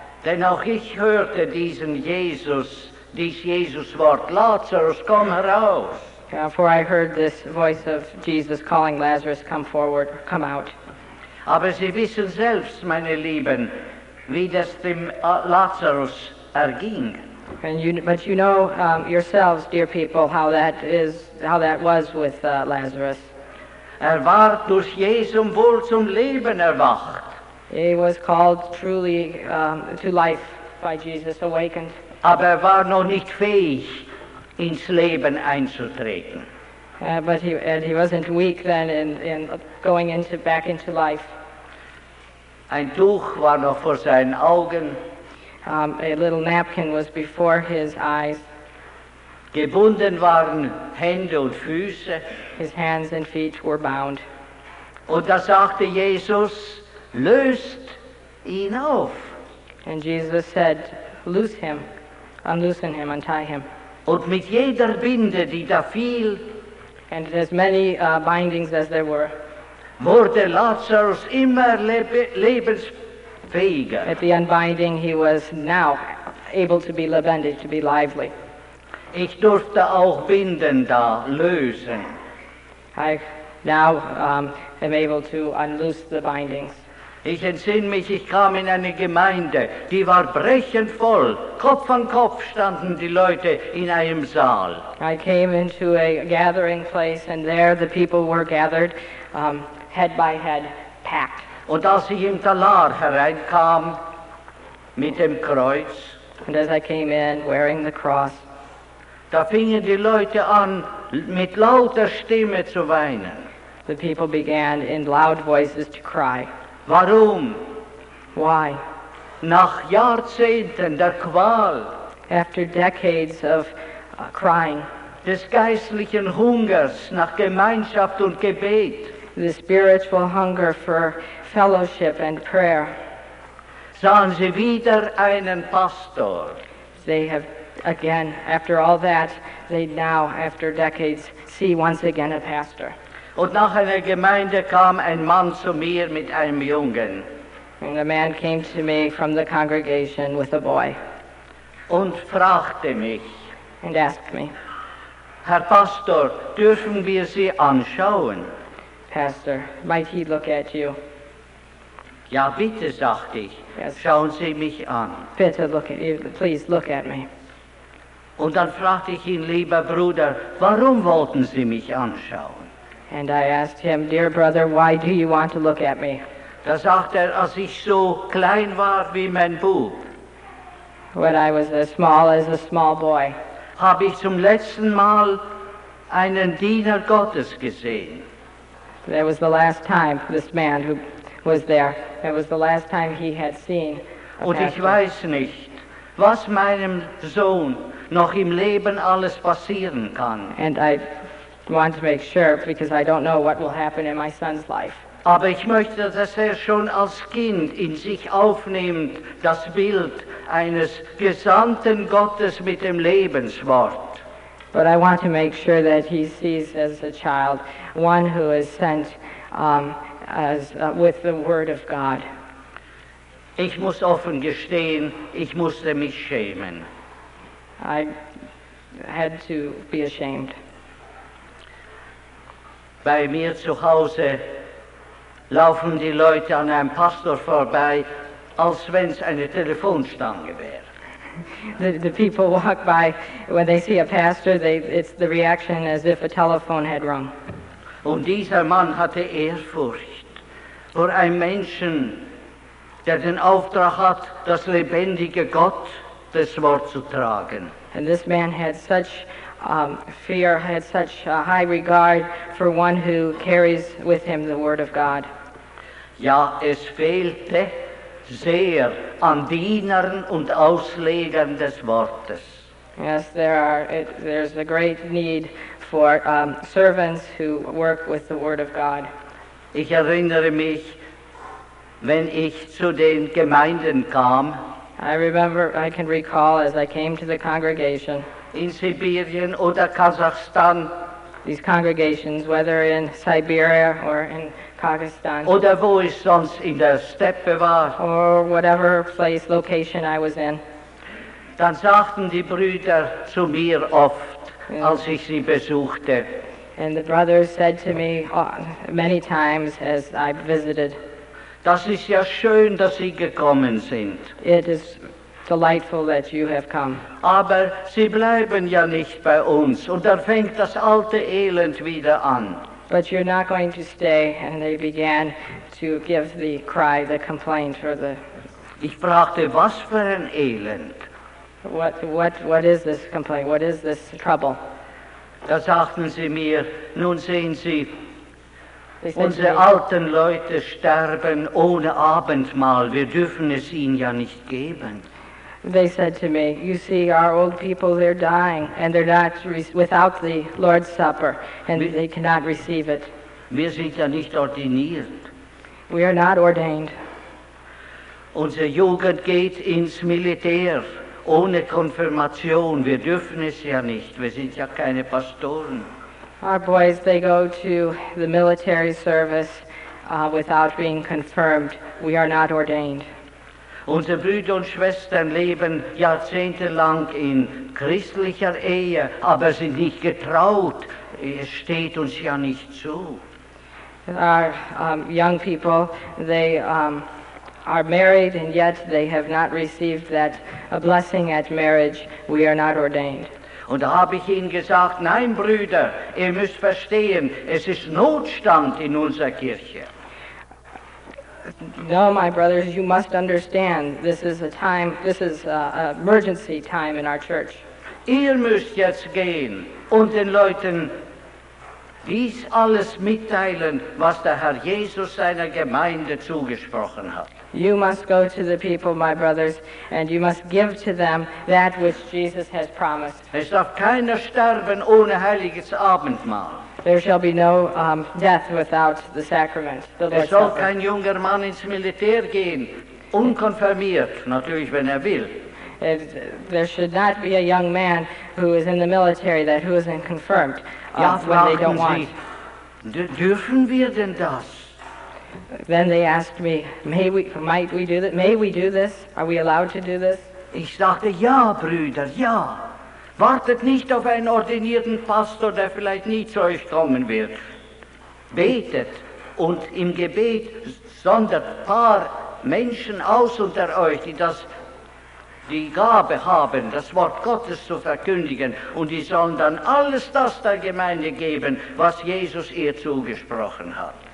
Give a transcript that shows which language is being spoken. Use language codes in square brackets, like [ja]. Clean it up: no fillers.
[de] Denn auch ich hörte diesen Jesus, dies Jesus-Wort, Lazarus, komm heraus. [en] For I heard this voice of Jesus calling Lazarus, come forward, come out. [de] Aber Sie wissen selbst, meine Lieben, wie das dem Lazarus erging. [en] But you know yourselves, dear people, how that was with Lazarus. [de] Er war durch Jesum wohl zum Leben erwacht. [en] He was called truly to life. by Jesus awakened. [de] Aber war noch nicht fähig, ins Leben einzutreten. [en] But he wasn't weak then in going into back into life. [de] Ein Tuch war noch vor seinen Augen. [en] A little napkin was before his eyes. [de] Gebunden waren Hände und Füße. [en] His hands and feet were bound. [de] Und da sagte Jesus, löst ihn auf. [en] And Jesus said, loose him, unloosen him, untie him. [de] Und mit jeder Binde, die da fiel, [en] and as many bindings as there were, [de] wurde Lazarus immer lebensfähiger. [en] At the unbinding, he was now able to be [de] lebendig, [en] to be lively. [de] Ich durfte auch Binden da lösen. [en] I now am able to unloose the bindings. [de] Ich entsinne mich, ich kam in eine Gemeinde, die war brechend voll. Kopf an Kopf standen die Leute in einem Saal. [en] I came into a gathering place and there the people were gathered, head by head, packed. [de] Und als ich im Talar hereinkam, mit dem Kreuz, [en] and as I came in wearing the cross, [de] da fingen die Leute an, mit lauter Stimme zu weinen. [en] The people began in loud voices to cry. [de] Warum? [en] Why? [de] Nach Jahrzehnten der Qual. [en] After decades of crying. [de] Des geistlichen Hungers nach Gemeinschaft und Gebet. [en] The spiritual hunger for fellowship and prayer. [de] Sahen sie wieder einen Pastor. [en] They have again, after all that, they now, after decades, see once again a pastor. [de] Und nach einer Gemeinde kam ein Mann zu mir mit einem Jungen. [en] And a man came to me from the congregation with a boy. [de] Und fragte mich. [en] And asked me. [de] Herr Pastor, dürfen wir Sie anschauen? [en] Pastor, might he look at you? [de] Ja, bitte, sagte ich. [en] Yes. [de] Schauen Sie mich an. Bitte, [en] look at you. Please, look at me. [de] Und dann fragte ich ihn, lieber Bruder, warum wollten Sie mich anschauen? [en] And I asked him, dear brother, why do you want to look at me? [de] Da sagt er, als ich so klein war wie mein Bub. [en] When I was as small as a small boy. [de] Hab ich zum letzten Mal einen Diener Gottes gesehen. [en] That was the last time this man who was there. That was the last time he had seen. [de] Und ich weiß nicht, was meinem Sohn noch im Leben alles passieren kann. [en] And I want to make sure, because I don't know what will happen in my son's life. [de] Aber ich möchte, dass schon als Kind in sich aufnimmt das Bild eines Gesandten Gottes mit dem Lebenswort. [en] But I want to make sure that he sees as a child one who is sent with the Word of God. [de] Ich muss offen gestehen, ich musste mich schämen. [en] I had to be ashamed. [de] Bei mir zu Hause laufen die Leute an einem Pastor vorbei, als wenn es eine Telefonstange wäre. [en] The people walk by, when they see a pastor, it's the reaction as if a telephone had rung. [de] Und dieser Mann hatte Ehrfurcht vor einem Menschen, der den Auftrag hat, das lebendige Gott, das Wort zu tragen. [en] And this man had such fear, had such a high regard for one who carries with him the Word of God. [de] Ja, es fehlte sehr an Dienern und Auslegern des Wortes. [en] Yes, there's a great need for servants who work with the Word of God. [de] Ich erinnere mich, wenn ich zu den Gemeinden kam. [en] I can recall as I came to the congregation. [de] In Sibirien oder Kasachstan. [en] These congregations, whether in Siberia or in Kazakhstan. [de] Oder wo ich sonst in der Steppe war. [en] Or whatever place, location I was in. [de] Dann sagten die Brüder zu mir oft, [en] yeah, [de] als ich sie besuchte. [en] And the brothers said to me many times as I visited. [de] Das ist ja schön, dass Sie gekommen sind. [en] It is delightful that you have come. [de] Aber Sie bleiben ja nicht bei uns. Und dann fängt das alte Elend wieder an. [en] But you're not going to stay. And they began to give the cry, the complaint, or the [de] Ich fragte, was für ein Elend. [en] What is this complaint? What is this trouble? [de] Da sagten sie mir, nun sehen Sie, unsere alten Leute sterben ohne Abendmahl. Wir dürfen es ihnen ja nicht geben. [en] They said to me, you see, our old people, they're dying, and they're not without the Lord's Supper, and they cannot receive it. [de] Wir sind ja nicht ordiniert. [en] We are not ordained. [de] Unsere Jugend geht ins Militär ohne Konfirmation. Wir dürfen es ja nicht. Wir sind ja keine Pastoren. [en] Our boys, they go to the military service without being confirmed. We are not ordained. [de] Unsere Brüder und Schwestern leben jahrzehntelang in christlicher Ehe, aber sind nicht getraut. Es steht uns ja nicht zu. [en] Our young people, they are married, and yet they have not received that blessing at marriage. We are not ordained. [de] Und da habe ich ihnen gesagt, nein, Brüder, ihr müsst verstehen, es ist Notstand in unserer Kirche. [en] No, my brothers, you must understand, this is an emergency time in our church. [de] Ihr müsst jetzt gehen und den Leuten dies alles mitteilen, was der Herr Jesus seiner Gemeinde zugesprochen hat. [en] You must go to the people, my brothers, and you must give to them that which Jesus has promised. [de] Es darf keiner sterben ohne heiliges Abendmahl. [en] There shall be no death without the sacrament. [de] Es soll kein junger Mann ins Militär gehen, unkonfirmiert, natürlich, wenn will. [en] There should not be a young man who is in the military that who isn't confirmed, when they don't want. [de] Dürfen wir denn das? [en] Then they asked me, might we do this? Are we allowed to do this? [de] Ich sagte, ja, Brüder, ja. Wartet nicht auf einen ordinierten Pastor, der vielleicht nie zu euch kommen wird. Betet und im Gebet sondert ein paar Menschen aus unter euch, die das die Gabe haben, das Wort Gottes zu verkündigen, und die sollen dann alles das der Gemeinde geben, was Jesus ihr zugesprochen hat.